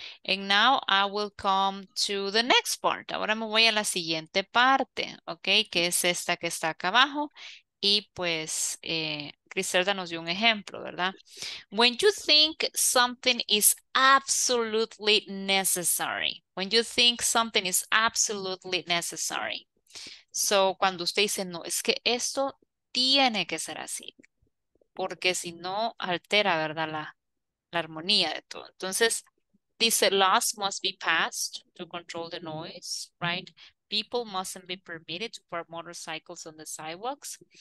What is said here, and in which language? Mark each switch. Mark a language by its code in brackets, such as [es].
[en] And now I will come to the next part. [es] Ahora me voy a la siguiente parte, ¿ok? Que es esta que está acá abajo. Y pues, Griselda nos dio un ejemplo, ¿verdad? [en] When you think something is absolutely necessary. When you think something is absolutely necessary. So, [es] cuando usted dice, no, es que esto tiene que ser así. Porque si no, altera, ¿verdad? La armonía de todo. Entonces, Dice, [en] laws must be passed to control the noise, right? People mustn't be permitted to park motorcycles on the sidewalks.